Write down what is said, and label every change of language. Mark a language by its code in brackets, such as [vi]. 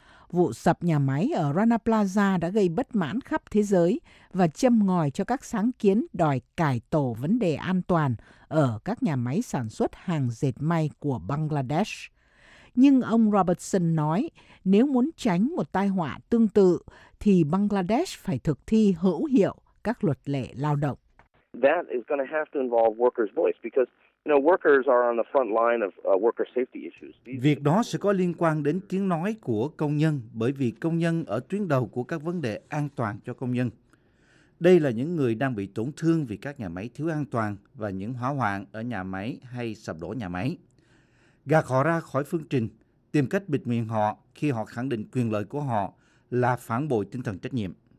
[vi] Vụ sập nhà máy ở Rana Plaza đã gây bất mãn khắp thế giới và châm ngòi cho các sáng kiến đòi cải tổ vấn đề an toàn ở các nhà máy sản xuất hàng dệt may của Bangladesh. nhưng ông Robertson nói nếu muốn tránh một tai họa tương tự thì Bangladesh phải thực thi hữu hiệu các luật lệ lao động. [en] That is going to have to involve workers' voice because workers are on the front line of worker safety issues. [vi] Việc đó sẽ có liên quan đến tiếng nói của công nhân bởi vì công nhân ở tuyến đầu của các vấn đề an toàn cho công nhân. Đây là những người đang bị tổn thương vì các nhà máy thiếu an toàn và những hỏa hoạn ở nhà máy hay sập đổ nhà máy. Gạt họ ra khỏi phương trình, tìm cách bịt miệng họ khi họ khẳng định quyền lợi của họ là phản bội tinh thần trách nhiệm.